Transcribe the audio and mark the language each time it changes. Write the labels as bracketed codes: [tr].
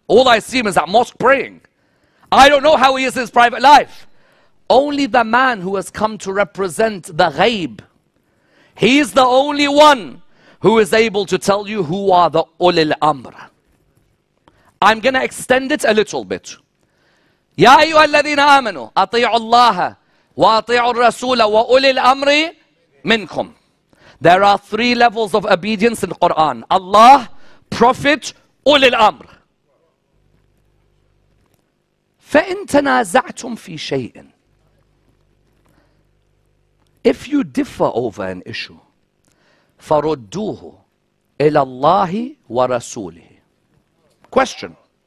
[en] All I see him is at mosque praying. I don't know how he is in his private life. Only the man who has come to represent the ghaib. He is the only one who is able to tell you who are the Ulil Amr. I'm going to extend it a little bit. [ar] يا أيها الذين آمنوا أطيعوا الله وأطيعوا الرسول وأولي الأمر منكم. [en] There are three levels of obedience in Quran. Allah, Prophet, أولي الأمر. [ar] فإن تنازعتم في شيء. [en] If you differ over an issue, [ar] فردوه إلى الله ورسوله. [en] Question.